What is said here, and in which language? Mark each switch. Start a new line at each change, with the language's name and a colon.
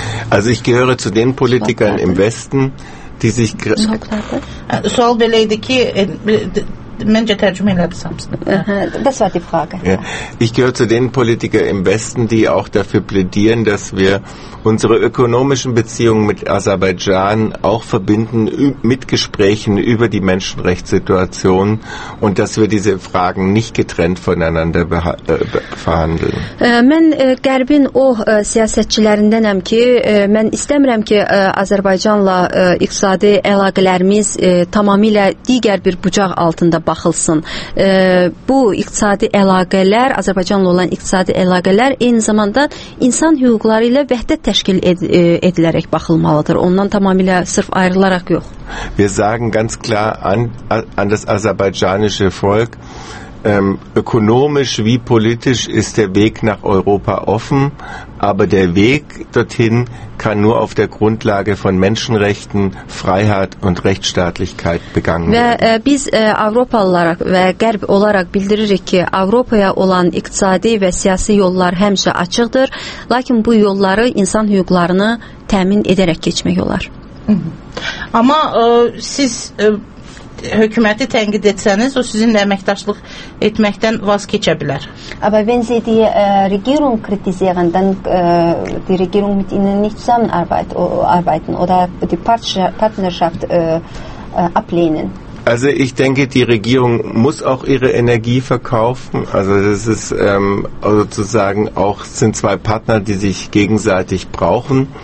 German: Also ich gehöre zu den Politikern im Westen, die sich
Azerbaijani: sual belə idi ki məncə tərcümə elədi Samson.
German: Das war die Frage. Ja. Ich gehöre zu den Politikern im Westen, die auch dafür plädieren, dass wir unsere ökonomischen Beziehungen mit Aserbaidschan auch verbinden mit Gesprächen über die Menschenrechtssituation und dass wir diese Fragen nicht getrennt voneinander verhandeln.
Azerbaijani: Mən Qərbin o siyasətçilərindənəm ki, mən istəmirəm ki, Azərbaycanla iqtisadi əlaqələrimiz tamamilə digər bir bucaq altında baxılsın. Bu iqtisadi əlaqələr, Azərbaycanla olan iqtisadi əlaqələr eyni zamanda insan hüquqları ilə vəhdət təşkil edilərək baxılmalıdır. Ondan tamamilə sırf ayrılaraq yox.
German: Wir sagen ganz klar an das aserbaidschanische Volk, Ökonomisch wie politisch ist der Weg nach Europa offen, aber der Weg dorthin kann nur auf der Grundlage von Menschenrechten, Freiheit und Rechtsstaatlichkeit begangen werden.
Azerbaijani: Biz Avropa olarak ve Gərb olarak bildiririk ki, Avropaya olan iqtisadi ve siyasi yollar həmişə açıqdır, lakin bu yolları insan hüquqlarını təmin edərək keçmək olar. Amma siz hükümeti tənqid etsəniz, o sizinlə əməkdaşlıq etməkdən vaz keçə bilər.
German: Aber wenn Sie die Regierung kritisieren, dann die Regierung mit Ihnen nicht zusammenarbeiten oder die Partnerschaft ablehnen. Also ich denke, die Regierung muss auch ihre Energie verkaufen. Also das ist sozusagen auch, sind zwei Partner, die sich gegenseitig brauchen.